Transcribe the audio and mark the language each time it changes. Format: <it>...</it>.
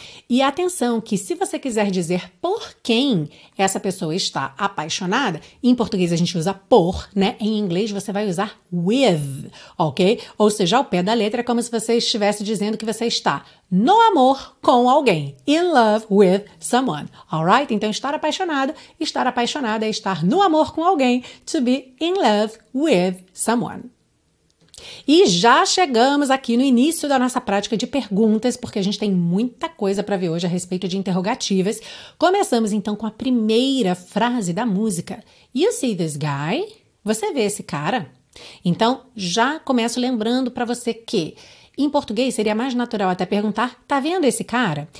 <pt>E atenção que se você quiser dizer por quem essa pessoa está apaixonada, em português a gente usa por, né? Em inglês você vai usar with, ok? Ou seja, ao pé da letra é como se você estivesse dizendo que você está no amor com alguém.</pt> <en>In love with someone, alright?</en> <pt>Então, estar apaixonada é estar no amor com alguém.</pt> <en>To be in love with someone.</en> <pt>E já chegamos aqui no início da nossa prática de perguntas, porque a gente tem muita coisa para ver hoje a respeito de interrogativas. Começamos então com a primeira frase da música.</pt> <en>You see this guy?</en> <pt>Você vê esse cara? Então, já começo lembrando para você que em português seria mais natural até perguntar, tá vendo esse cara?</pt>